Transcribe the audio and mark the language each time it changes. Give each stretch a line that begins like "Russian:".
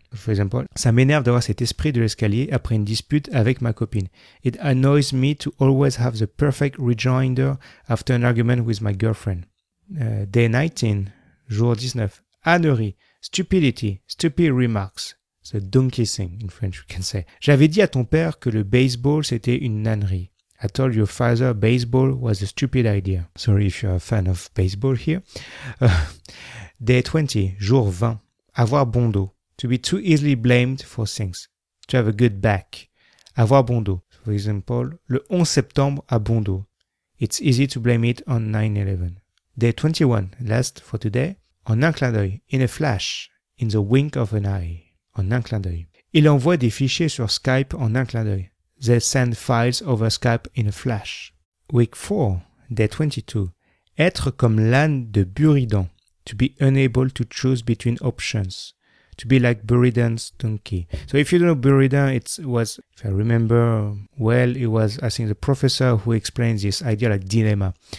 English: For example,
French: ça m'énerve d'avoir cet esprit de l'escalier après une dispute avec ma copine.
English: It annoys me to always have the perfect rejoinder after an argument with my girlfriend. Day 19,
French: jour 19.
English: Ânerie, stupidity, stupid remarks. The donkey thing in French, we can say.
French: J'avais dit à ton père que le baseball c'était une ânerie.
English: I told your father baseball was a stupid idea. Sorry if you're a fan of baseball here. Day 20,
French: jour 20. Avoir bon dos.
English: To be too easily blamed for things. To have a good back.
French: Avoir bon dos.
English: For example,
French: le 11 septembre a bon dos.
English: It's easy to blame it on 9/11. Day 21, last for today.
French: En un clin d'œil.
English: In a flash. In the wink of an eye.
French: En un clin d'œil. Il envoie des fichiers sur Skype en un clin d'œil.
English: They send files over Skype in a flash. Week 4, day 22.
French: Être comme l'âne de Buridan.
English: To be unable to choose between options. To be like Buridan's donkey. So if you don't know Buridan, if I remember well, it was, I think, the professor who explained this idea like dilemma.